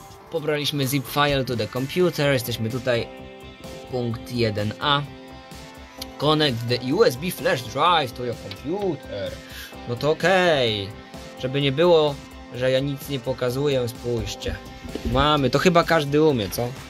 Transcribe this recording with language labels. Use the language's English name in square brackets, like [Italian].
[Polish] Pobraliśmy [English] zip file to the computer, [Polish] jesteśmy tutaj, punkt 1a. [English] Connect the USB flash drive to your computer. [Polish] No to okej. Żeby nie było, że ja nic nie pokazuję, spójrzcie. Mamy, to chyba każdy umie, co?